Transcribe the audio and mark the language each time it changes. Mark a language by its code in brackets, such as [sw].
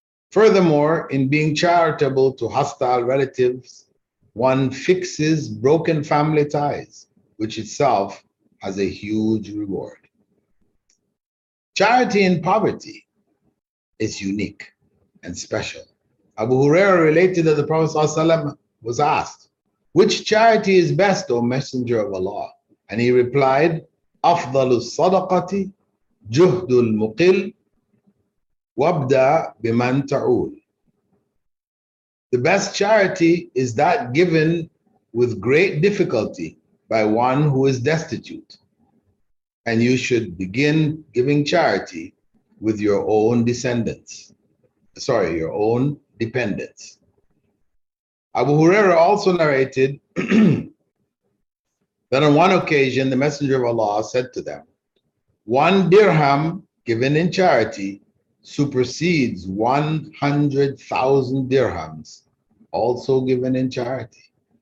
[en] Furthermore, in being charitable to hostile relatives, one fixes broken family ties, which itself has a huge reward. Charity in poverty is unique and special. Abu Huraira related that the Prophet ﷺ was asked, which charity is best, O Messenger of Allah? And he replied, [ar] أفضل الصدقة جهد المقل وابدأ بمن تعول. [en] The best charity is that given with great difficulty by one who is destitute. And you should begin giving charity with your own descendants. Sorry, your own dependents. Abu Huraira also narrated that on one occasion, the Messenger of Allah said to them, one dirham given in charity supersedes 100,000 dirhams also given in charity.